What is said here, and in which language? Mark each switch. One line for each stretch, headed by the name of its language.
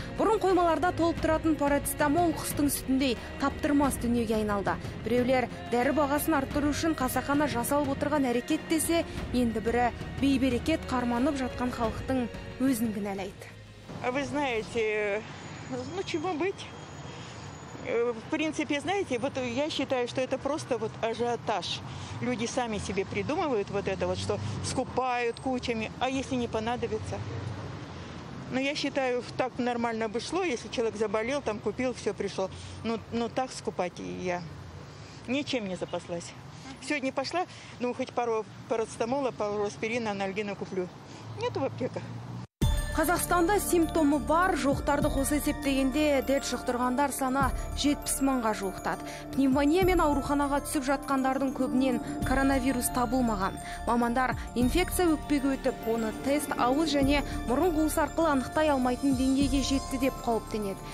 Kazakh: Бұрын қоймаларда толып тұратын парацетамол қыстың сүтіндей таптырмас дүниеге айналды. Біреулер дәрі бағасын арттыру үшін қасақана жасалып отырған әрекет десе, енді бірі бейберекет қарманып жатқан халықтың өзін кінәлайды.
Russian: Вы знаете, ну чего быть? В принципе, знаете, вот я считаю, что это просто вот ажиотаж. Люди сами себе придумывают вот это вот, что скупают кучами, а если не понадобится? Но я считаю, так нормально бы шло, если человек заболел, там купил, все пришло. Но так скупать я ничем не запаслась. Сегодня пошла, ну хоть пару парацетамола, пару аспирина, анальгина куплю. Нету в аптеках.
Kazakh: Қазақстанда симптомы бар, жоқтарды қосы есептегенде дерт жұқтырғандар сана 70 мыңға жоқтады. Пневмония мен ауруханаға түсіп жатқандардың көбінен коронавирус табылмаған. Мамандар инфекция өкпеге өтіп, оны тест ауыз және мұрын қуыс арқылы анықтай алмайтын деңгейге жетті деп қауіптенеді.